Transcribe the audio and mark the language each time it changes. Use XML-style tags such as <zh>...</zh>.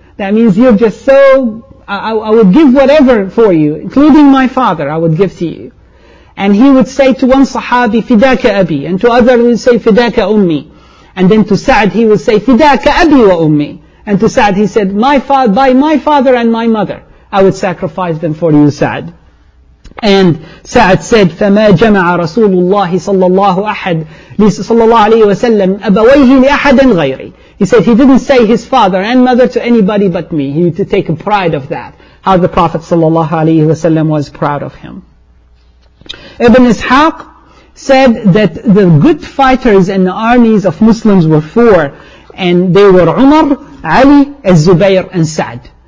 <en>That means you're just so, I would give whatever for you, including my father, I would give to you. And he would say to one Sahabi, Fidaka Abi, and to other he would say, Fidaka Ummi. And then to Sa'd he would say, Fidaka Abi wa Ummi. And to Sa'd he said, by my father and my mother, I would sacrifice them for you, Sa'd. And Sa'd said,</en> <ar>فَمَا جَمَعَ رَسُولُ اللَّهِ صَلَّى اللَّهُ عَلَيْهِ وَسَلَّمْ أَبَوَيْهِ لِأَحَدًا غَيْرِي.</ar> <en>He said, he didn't say his father and mother to anybody but me. He had to take pride of that. How the Prophet sallallahu alayhi wa sallam was proud of him. Ibn Ishaq said that the good fighters in the armies of Muslims were four. And they were Umar, Ali, Az-Zubayr, and Sa'd.</en>